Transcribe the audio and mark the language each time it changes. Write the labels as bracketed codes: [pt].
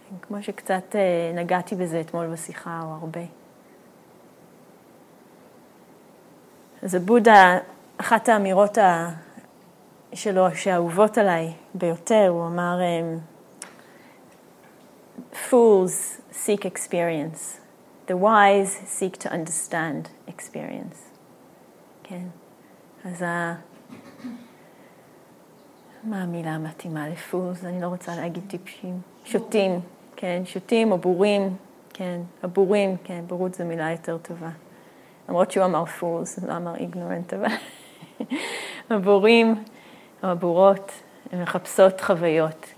[he] כמו שקצת נגעתי בזה אתמול בשיחה, או הרבה. אז הבודה, אחת האמירות שלו, שאהובות עליי ביותר, הוא אמר, [en] Fools seek experience. The wise seek to understand experience. [he] כן. אז מה המילה המתאימה לפולס? אני לא רוצה להגיד טיפשים. שוטים, כן. שוטים או בורים, כן. הבורים, כן. בורות זו מילה יותר טובה. למרות שהוא אמר פולס, לא אמר איגנורנט, אבל הבורים או הבורות הן מחפשות חוויות.